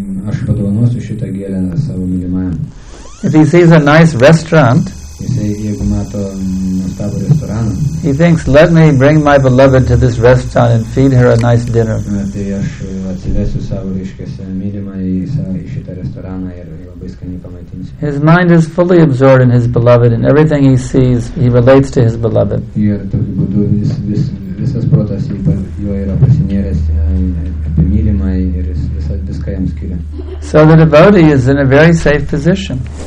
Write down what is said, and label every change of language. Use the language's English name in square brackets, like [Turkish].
[Lithuanian] Aš padovanosiu šitą gėlę savo mylimajam. [English] If he sees a nice restaurant, [Lithuanian] jeigu mato nuostabų restoraną, [English] he thinks, let me bring my beloved to this restaurant and feed her a nice dinner. [Lithuanian] Tai aš atsivesiu savo reiškiasi mylimą į šitą restoraną ir labai skaniai pamaitinsiu. [English] His mind is fully absorbed in his beloved and everything he sees, he relates to his beloved. [Lithuanian] Ir tokiu būdu visas protas jo yra pasinėręs apie mylimą ir viską jam skiria. [English] So the devotee is in a very safe position.